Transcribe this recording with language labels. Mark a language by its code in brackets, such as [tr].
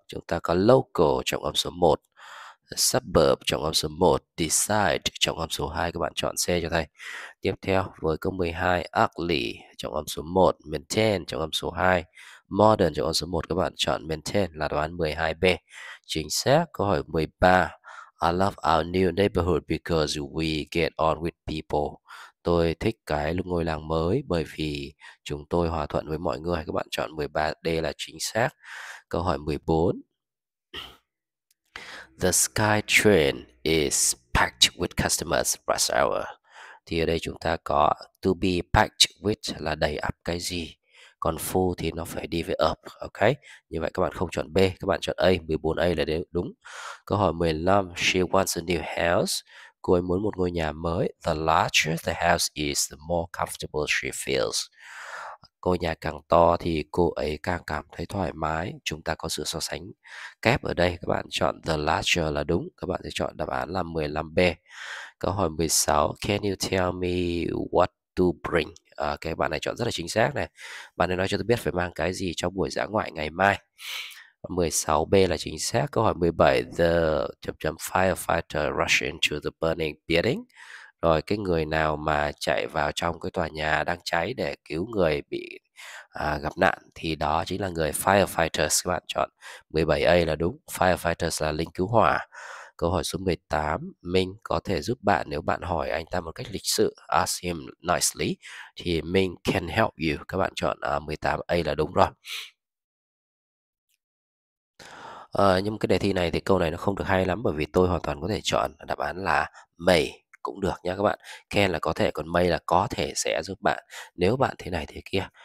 [vi] Chúng ta có local trọng âm số 1, suburb trọng âm số 1, decide trọng âm số 2, các bạn chọn C cho thầy. Tiếp theo với câu 12, ugly trọng âm số 1, maintain trọng âm số 2, modern trọng âm số 1, các bạn chọn maintain là đáp án 12B. Chính xác. Câu hỏi 13, [en] I love our new neighborhood because we get on with people. [vi] Tôi thích cái lúc ngôi làng mới bởi vì chúng tôi hòa thuận với mọi người. Các bạn chọn 13D là chính xác. Câu hỏi 14, [en] the sky train is packed with customers rush hour. [vi] Thì ở đây chúng ta có to be packed with là đầy ắp cái gì, còn full thì nó phải đi với up. Ok, như vậy các bạn không chọn B, các bạn chọn A. 14A là đúng. Câu hỏi 15, [en] she wants a new house. [vi] Cô ấy muốn một ngôi nhà mới. [en] The larger the house is, the more comfortable she feels. [vi] Ngôi nhà càng to thì cô ấy càng cảm thấy thoải mái. Chúng ta có sự so sánh kép ở đây. Các bạn chọn the larger là đúng. Các bạn sẽ chọn đáp án là 15B. Câu hỏi 16, [en] can you tell me what to bring? [vi] Cái bạn này chọn rất là chính xác này. Bạn này nói cho tôi biết phải mang cái gì cho buổi dã ngoại ngày mai. 16B là chính xác. Câu hỏi 17, [en] the firefighter rush into the burning building. [vi] Rồi cái người nào mà chạy vào trong cái tòa nhà đang cháy để cứu người bị gặp nạn thì đó chính là người firefighters. Các bạn chọn 17A là đúng. Firefighters là lính cứu hỏa. Câu hỏi số 18, mình có thể giúp bạn nếu bạn hỏi anh ta một cách lịch sự. [en] Ask him nicely [vi] thì mình [en] can help you. [vi] Các bạn chọn 18A là đúng rồi. Nhưng cái đề thi này thì câu này nó không được hay lắm, bởi vì tôi hoàn toàn có thể chọn đáp án là may cũng được nha các bạn. Can là có thể, còn may là có thể sẽ giúp bạn nếu bạn thế này thế kia.